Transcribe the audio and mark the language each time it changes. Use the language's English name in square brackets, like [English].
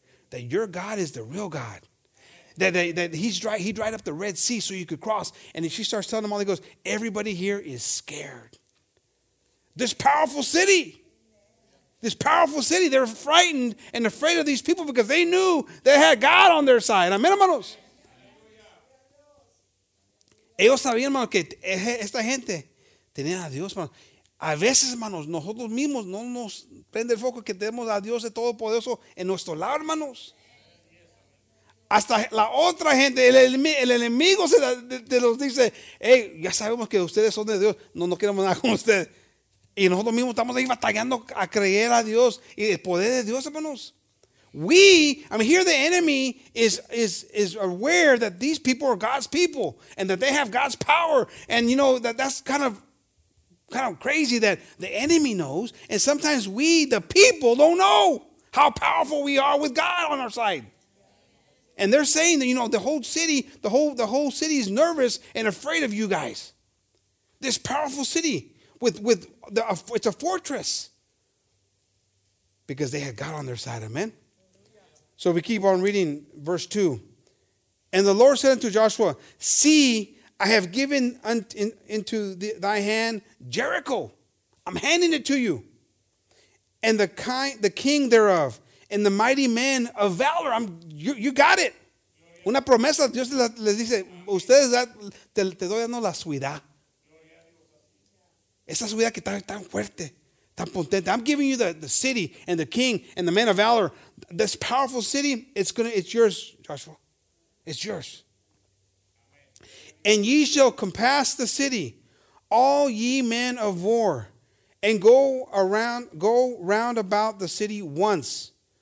[English] That your God is the real God. That he dried up the Red Sea so you could cross. And then she starts telling them all, he goes, everybody here is scared. This powerful city, they're frightened and afraid of these people because they knew they had God on their side. [Spanish] Amén, hermanos. Ellos sabían, hermanos, que esta gente tenía a Dios, hermanos. A veces, hermanos, nosotros mismos no nos prende el foco que tenemos a Dios de Todopoderoso en nuestro lado, hermanos. Hasta la otra gente, el enemigo se los dice, hey, ya sabemos que ustedes son de Dios, no queremos nada con ustedes. Y nosotros mismos estamos ahí batallando a creer a Dios y el poder de Dios, hermanos. [English] Here the enemy is aware that these people are God's people and that they have God's power. And you know, that's kind of crazy that the enemy knows, and sometimes we, the people, don't know how powerful we are with God on our side. And they're saying that, you know, the whole city is nervous and afraid of you guys. This powerful city it's a fortress. Because they had God on their side, amen? So we keep on reading verse 2. And the Lord said unto Joshua, see, I have given into thy hand Jericho. I'm handing it to you. And the king thereof, and the mighty men of valor. You got it. [Spanish] Una promesa. Dios les dice, ustedes, te doy dando la ciudad. Esa ciudad que está tan fuerte, tan potente. [English] I'm giving you the city and the king and the men of valor. This powerful city, it's yours, Joshua. It's yours. And ye shall compass the city, all ye men of war, and go round about the city once.